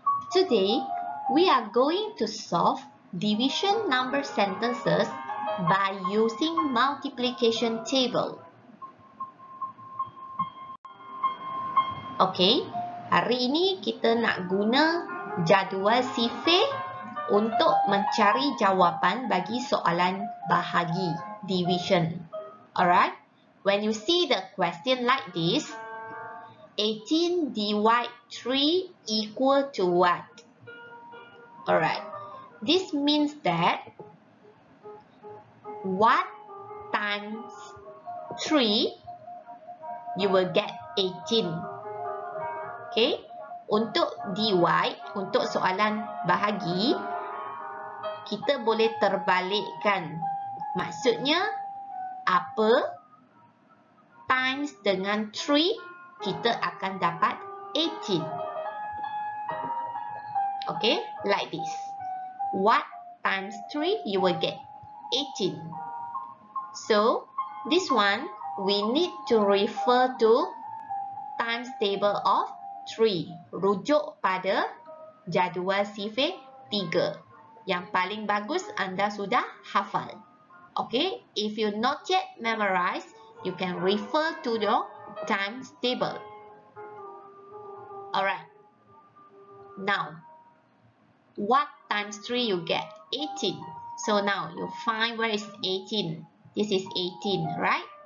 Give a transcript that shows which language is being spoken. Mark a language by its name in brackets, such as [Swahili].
[English] Today, we are going to solve division number sentences by using multiplication table. [Malay] Okay, hari ini kita nak guna jadual sifir untuk mencari jawapan bagi soalan bahagi division. [English] Alright, when you see the question like this, 18 divide 3 equal to what? Alright, this means that what times 3, you will get 18. [Malay] Okay, untuk divide, untuk soalan bahagi, kita boleh terbalikkan. Maksudnya, apa times dengan 3, kita akan dapat 18. [English] Okay, like this. What times 3, you will get 18. So, this one, we need to refer to times table of 3. [Malay] Rujuk pada jadual sifir 3. Yang paling bagus anda sudah hafal. [English] Okay, if you not yet memorize, you can refer to your times table. Alright, now, what times 3 you get? 18. So now, you find where is 18. This is 18, right?